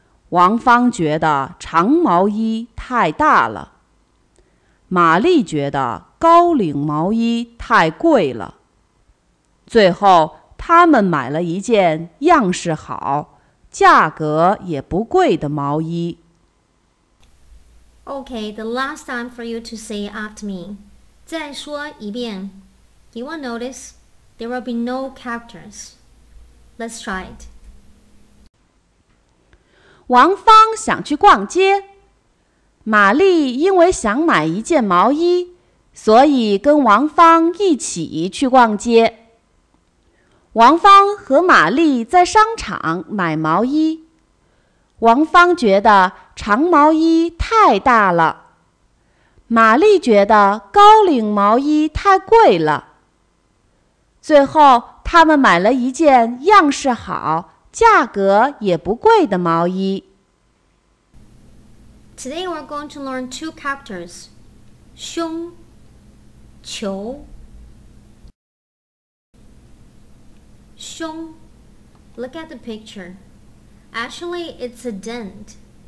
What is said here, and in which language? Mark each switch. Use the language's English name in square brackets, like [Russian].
[Chinese] 王芳觉得长毛衣太大了。玛丽觉得高领毛衣太贵了。最后，他们买了一件样式好、价格也不贵的毛衣。 [English] Okay, the last time for you to say after me. [Chinese] 再说一遍。 [English] You will notice there will be no characters. Let's try it. [Chinese] 王芳想去逛街。玛丽因为想买一件毛衣，所以跟王芳一起去逛街。王芳和玛丽在商场买毛衣。王芳觉得长毛衣太大了，玛丽觉得高领毛衣太贵了。最后，他们买了一件样式好、价格也不贵的毛衣。 [English] Today we're going to learn two characters, 胸、球。胸, look at the picture. Actually, it's a dent.